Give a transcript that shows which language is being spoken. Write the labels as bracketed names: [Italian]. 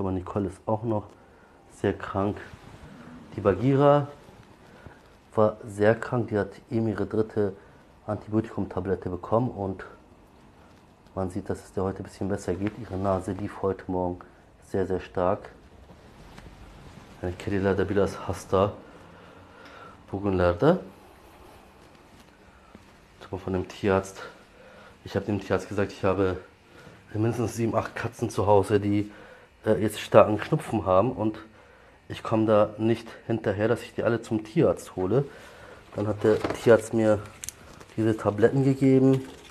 [German] Aber Nicole ist auch noch sehr krank. Die Bagheera war sehr krank. Die hat eben ihre dritte Antibiotikum-Tablette bekommen. Und man sieht, dass es der heute ein bisschen besser geht. Ihre Nase lief heute Morgen sehr, sehr stark. [Turkish] Yani kedilerde biraz hasta bugünlerde. [German] Zum von dem Tierarzt. Ich habe dem Tierarzt gesagt, ich habe mindestens 7, 8 Katzen zu Hause, die jetzt starken Schnupfen haben. Und ich komme da nicht hinterher, dass ich die alle zum Tierarzt hole. Dann hat der Tierarzt mir diese Tabletten gegeben.